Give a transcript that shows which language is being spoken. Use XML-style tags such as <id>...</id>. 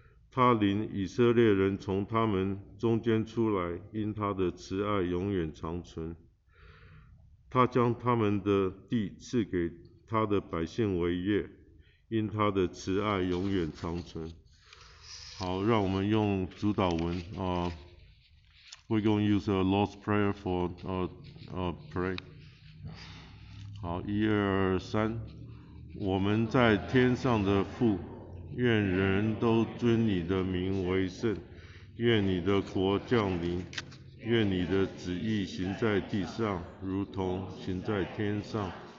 <zh>他领以色列人从他们中间出来，因他的慈爱永远长存。他将他们的地赐给他的百姓为业，因他的慈爱永远长存。好，让我们用主导文</zh> <en>We're going to use a Lord's Prayer for pray.</en> <zh>好，一二三，我们在天上的父，愿人都尊你的名为圣，愿你的国降临，愿你的旨意行在地上，如同行在天上。</zh>